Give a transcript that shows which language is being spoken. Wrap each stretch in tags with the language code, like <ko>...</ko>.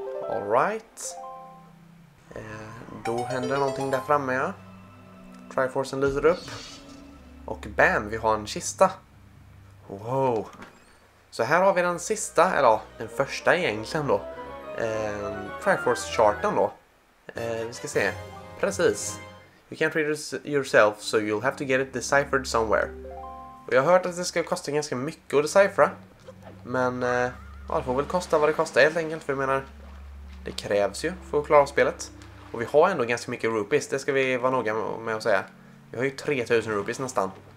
<en>All right.</en> <sv>Då händer någonting där framme, ja. Triforcen lyser upp. Och bam, vi har en kista. Wow. Så här har vi den sista, eller ja, den första egentligen då. Triforce-charten då. Vi ska se. Precis.</sv> <en>You can't read it yourself, so you'll have to get it deciphered somewhere.</en> <sv>Och jag har hört att det ska kosta ganska mycket att decipra. Men ja, det får väl kosta vad det kostar helt enkelt. För jag menar, det krävs ju för att klara spelet. Och vi har ändå ganska mycket rupees, det ska vi vara noga med att säga. Vi har ju 3000 rupees nästan.</sv>